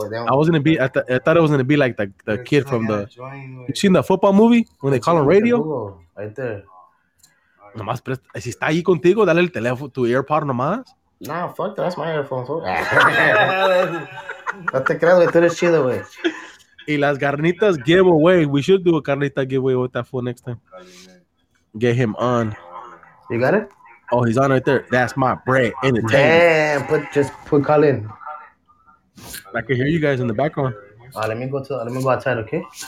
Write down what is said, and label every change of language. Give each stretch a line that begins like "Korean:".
English: I thought it was gonna be like the kid from the. You seen the football movie when they call on radio? Right there.
Spanish: Nomás, si está ahí contigo, dale el teléfono, tu AirPod nomás.
English: Nah, fuck, that's my earphone, fuck.
Spanish: No te creas, güey, tú eres chido, güey. Y las carnitas giveaway.
English: We should do a carnita giveaway with that fool next time. Get him on. You got it? Oh, he's on right there. That's my bread. In the damn, put, just put Colin. I can hear you guys in the background. Let me go outside, okay?